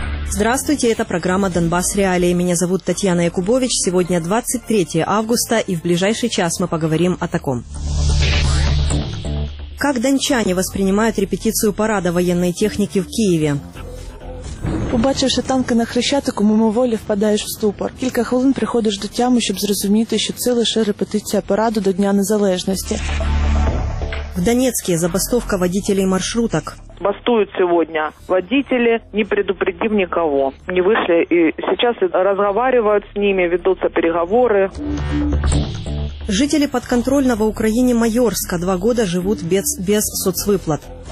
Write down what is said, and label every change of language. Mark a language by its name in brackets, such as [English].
[Russian] Здравствуйте, это программа «Донбасс Реалии». Меня зовут Татьяна Якубович. Сегодня 23 августа, и в ближайший час мы поговорим о таком. Как дончане воспринимают репетицию парада военной техники в Киеве? [Ukrainian] Побачивши танки на Хрещатику, мимоволі впадаєш в ступор. Кілька хвилин приходиш до тями, щоб зрозуміти, що це лише репетиція параду до Дня Незалежності. [Russian] В Донецьку забастовка водителей маршруток. Бастуют сегодня водители, не предупредив никого. Не вышли и сейчас разговаривают с ними, ведутся переговоры. Жители подконтрольного Украине Майорска 2 года живут без соцвыплат.